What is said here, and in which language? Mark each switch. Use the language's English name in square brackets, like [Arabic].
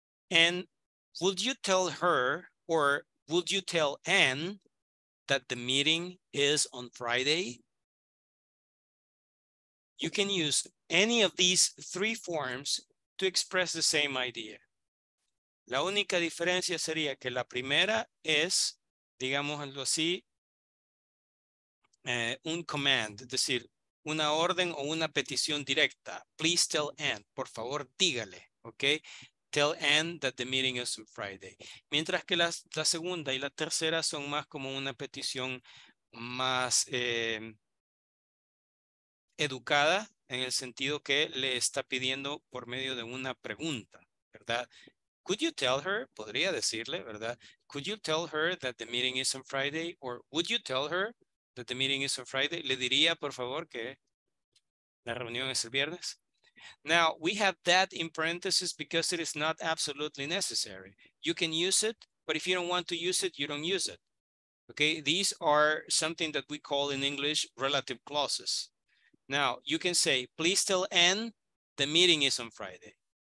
[English] And would you tell her or would you tell Anne that the meeting is on Friday? You can use any of these three forms to express the same idea. [Spanish] La única diferencia sería que la primera es, digámoslo así, un command, es decir, una orden o una petición directa. [English] Please tell Anne, [Spanish] por favor, dígale, [English] okay? Tell Anne that the meeting is on Friday. [Spanish] Mientras que la segunda y la tercera son más como una petición más educada en el sentido que le está pidiendo por medio de una pregunta, ¿verdad? [English] Could you tell her, [Spanish] podría decirle, ¿verdad? [English] Could you tell her that the meeting is on Friday? Or would you tell her that the meeting is on Friday? [Spanish] Le diría, por favor, que la reunión es el viernes. [English] Now, we have that in parentheses because it is not absolutely necessary. You can use it, but if you don't want to use it, you don't use it. Okay, these are something that we call in English relative clauses. Now you can say, please tell Anne the meeting is on Friday.